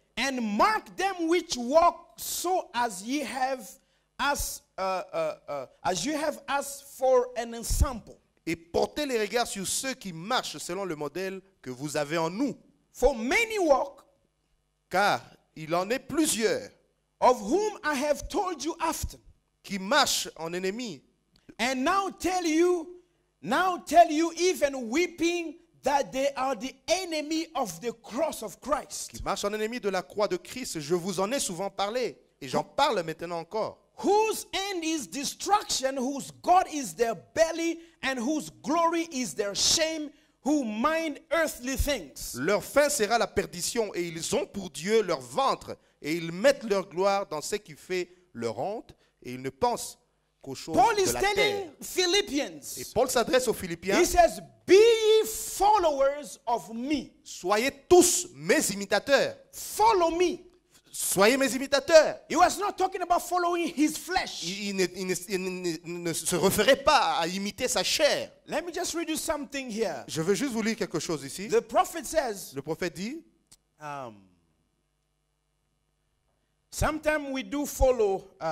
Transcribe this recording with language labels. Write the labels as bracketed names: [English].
[English] And mark them which walk so as ye have us as you have us for an example. [French] Et portez les regards sur ceux qui marchent selon le modèle que vous avez en nous. [English] For many walk. [French] Car il en est plusieurs. [English] Of whom I have told you often. [French] Qui marchent en ennemi. [English] And now tell you. Now tell you even weeping that they are the enemy of the cross of Christ. [French] Qui marche en ennemi de la croix de Christ, je vous en ai souvent parlé et j'en parle maintenant encore. [English] Whose end is destruction, whose God is their belly and whose glory is their shame, who mind earthly things. [French] Leur fin sera la perdition et ils ont pour Dieu leur ventre et ils mettent leur gloire dans ce qui fait leur honte et ils ne pensent [English] Paul is telling Philippians. [French] Et Paul s'adresse aux Philippiens. [English] He says, "Be followers of me." [French] Soyez tous mes imitateurs. [English] Follow me. [French] Soyez mes imitateurs. [English] He was not talking about following his flesh. [French] Il ne se référait pas à imiter sa chair. [English] Let me just read you something here. [French] Je veux juste vous lire quelque chose ici. [English] The prophet says. [French] Le prophète dit. [English] Sometimes we do follow.